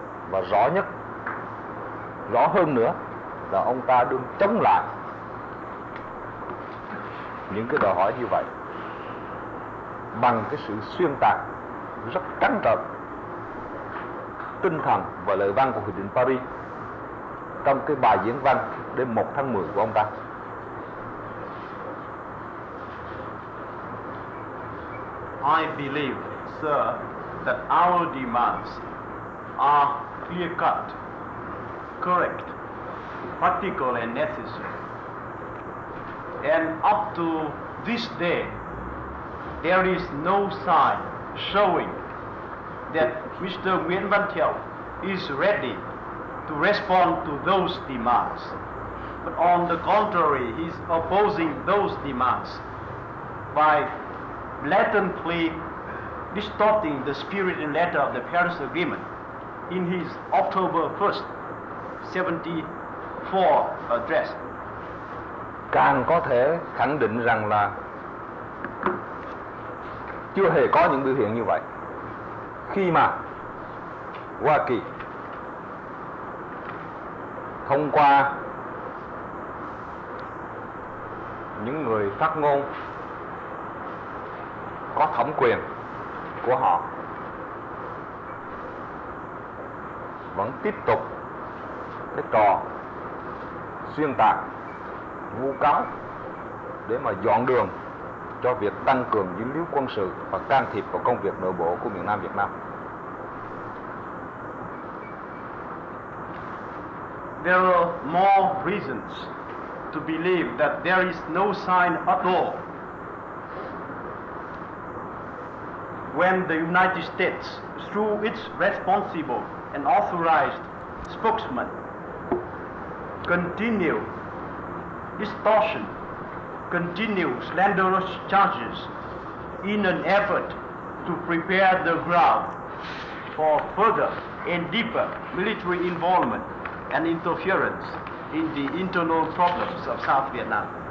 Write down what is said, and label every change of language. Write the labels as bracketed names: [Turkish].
[Vietnamese] Và rõ nhất, rõ hơn nữa là ông ta đương chống lại những cái đòi hỏi như vậy bằng cái sự xuyên tạc rất trắng trợn tinh thần và lời văn của Hiệp định Paris trong cái bài diễn văn đêm 1 tháng 10 của ông ta. [English] I believe, sir, that our demands are clear-cut, correct, practical and necessary. And up to this day, there is no sign showing that Mr. Nguyễn Văn Thiệu is ready to respond to those demands. But on the contrary, he's opposing those demands by blatantly distorting the spirit and letter of the Paris Agreement in his October 1st, 1974 address. [Vietnamese] Càng có thể khẳng định rằng là chưa hề có những biểu hiện như vậy. Khi mà Hoa Kỳ thông qua những người phát ngôn có thẩm quyền của họ vẫn tiếp tục cái trò xuyên tạc vu cáo để mà dọn đường cho việc tăng cường dính líu quân sự và can thiệp vào công việc nội bộ của miền Nam Việt Nam. [English] There are more reasons to believe that there is no sign at all when the United States, through its responsible and authorized spokesman, continue distortion, continue slanderous charges in an effort to prepare the ground for further and deeper military involvement and interference in the internal problems of South Vietnam.